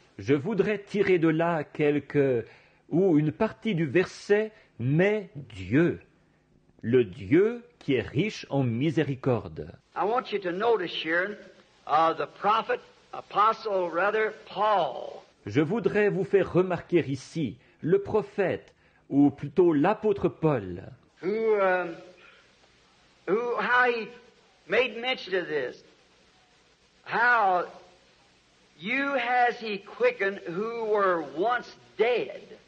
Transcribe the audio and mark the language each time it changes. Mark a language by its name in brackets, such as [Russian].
[French] Je voudrais tirer de là une partie du verset, mais Dieu, le Dieu qui est riche en miséricorde. [English] I want you to notice here, the prophet, apostle, rather, Paul. [French] Je voudrais vous faire remarquer ici le prophète ou plutôt l'apôtre Paul, [English] how he made mention of this, how you has he quickened who were once dead.